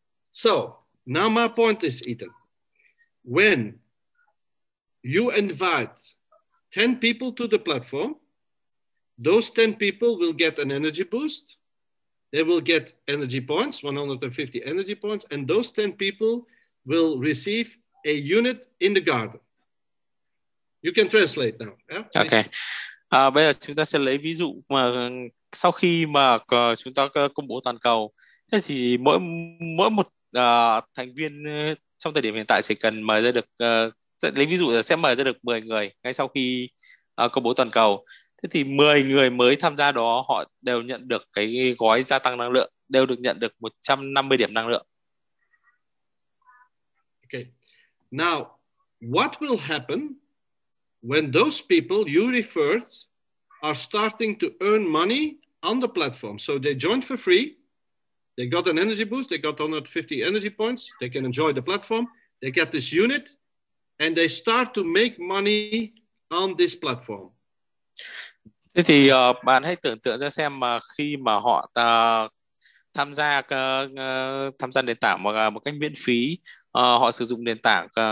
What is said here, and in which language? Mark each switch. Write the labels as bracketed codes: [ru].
[en] So now my point is, Ethan, when you invite 10 people to the platform, those 10 people will get an energy boost. They will get energy points, 150 energy points, and those 10 people will receive a unit in the garden. You can translate now. Yeah? Okay. [vi] Bây giờ chúng ta sẽ lấy ví dụ mà sau khi mà chúng ta công bố toàn cầu, thế thì mỗi một thành viên trong thời điểm hiện tại sẽ cần mời ra được, lấy ví dụ là sẽ mời ra được 10 người ngay sau khi công bố toàn cầu. Thế thì 10 người mới tham gia đó, họ đều nhận được cái gói gia tăng năng lượng, đều được nhận được 150 điểm năng lượng. [en] Okay. Now, what will happen when those people you referred are starting to earn money on the platform? So they joined for free, they got an energy boost, they got 150 energy points, they can enjoy the platform, they get this unit, and they start to make money on this platform. [vi] Thế thì bạn hãy tưởng tượng ra xem mà khi mà họ tham gia nền tảng một cách miễn phí, họ sử dụng nền tảng